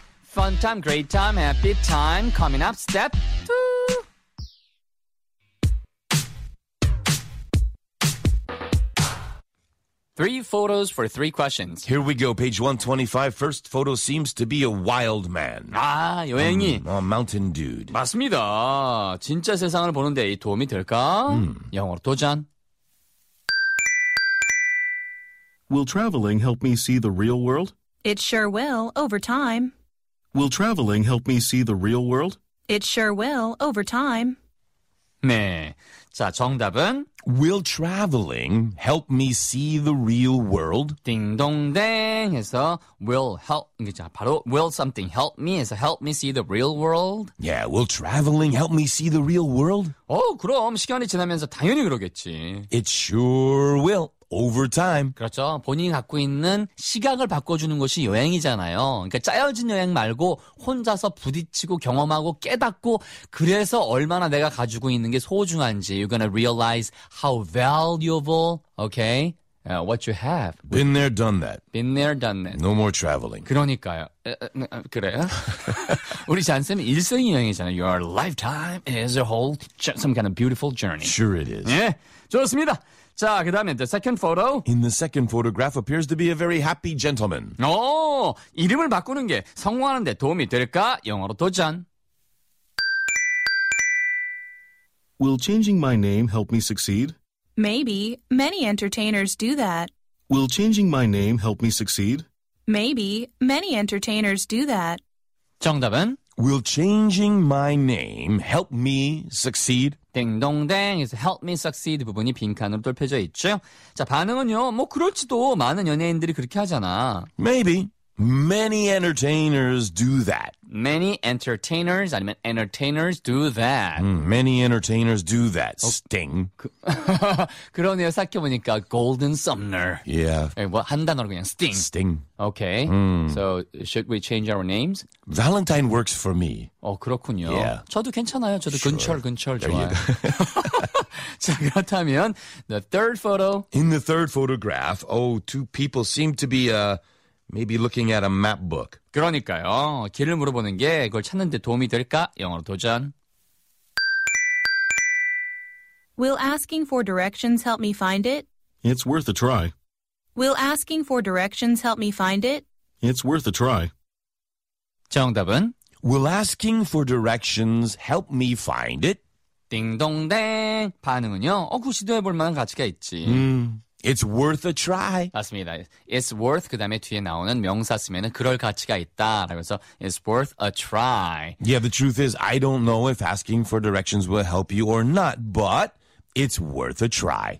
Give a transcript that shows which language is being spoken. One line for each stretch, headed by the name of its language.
English: Fun time, great time, happy time, coming up, step two. Three photos for three questions. Here we go. Page 125. First photo seems to be a wild man.
Korean: 아, 여행이.
English: A mountain dude.
Korean: 맞습니다. 진짜 세상을 보는데 이 도움이 될까? 영어로 도전.
English: Will traveling help me see the real world? It sure will, over time. Will traveling help me see the real world? It sure will, over time.
Korean: 네, 자, 정답은
English: Will traveling help me see the real world?
Korean: 딩동댕 해서
English: will help,
Korean: 바로
English: will something help me
Korean: 해서
English: help me see the real world? Yeah, will traveling help me see the real world?
Korean: 어, 그럼 시간이 지나면서 당연히 그러겠지.
English: It sure will. Over time.
Korean: 그렇죠. 본인이 갖고 있는 시각을 바꿔주는 것이 여행이잖아요. 그러니까 짜여진 여행 말고 혼자서 부딪히고 경험하고 깨닫고 그래서 얼마나 내가 가지고 있는 게 소중한지.
English: You're gonna realize how valuable, okay? What you have. Been there, done that. Been there, done that. No more traveling.
Korean: 그러니까요. 그래요? 우리 잔쌤 일생이 여행이잖아요.
English: Your lifetime is a whole, some kind of beautiful journey. Sure it is.
Korean: 예, 좋습니다. 자, 그 다음에
English: the second photo. In the second photograph appears to be a very happy gentleman.
Korean: 오, 이름을 바꾸는 게 성공하는 데 도움이 될까? 영어로 도전.
English: Will changing my name help me succeed? Maybe. Many entertainers do that. Will changing my name help me succeed? Maybe. Many entertainers do that.
Korean: 정답은?
English: Will changing my name help me succeed?
Korean: 딩동댕
English: is help me succeed
Korean: 부분이 빈칸으로 돌펴져 있죠. 자, 반응은요. 뭐 그럴지도 많은 연예인들이 그렇게 하잖아.
English: Maybe. Many entertainers do that. Many entertainers 아니면 entertainers do that. Many entertainers do that. Sting.
Korean: 그러네요. 생각해보니까 Golden Sumner.
English: Yeah.
Korean: 한 단어로 그냥 Sting.
English: Sting. Okay. So should we change our names? Valentine works for me.
Korean: 어, 그렇군요.
English: Yeah.
Korean: 저도 괜찮아요. 저도
English: sure.
Korean: 근철 좋아요. 자, 그렇다면
English: the third photo. In the third photograph, oh, two people seem to be maybe looking at a map book.
Korean: 그러니까요. 길을 물어보는 게 그걸 찾는 데 도움이 될까? 영어로 도전.
English: Will asking for directions help me find it? It's worth a try. Will asking for directions help me find it? It's worth a try.
Korean: 정답은?
English: Will asking for directions help me find it?
Korean: 딩동댕. 반응은요? 어, 그 시도해 볼 만한 가치가 있지.
English: It's worth a try.
Korean: 맞습니다.
English: It's worth,
Korean: 그 다음에 뒤에 나오는 명사 쓰면 그럴 가치가 있다.
English: 그래서 it's worth a try. Yeah, the truth is I don't know if asking for directions will help you or not, but it's worth a try.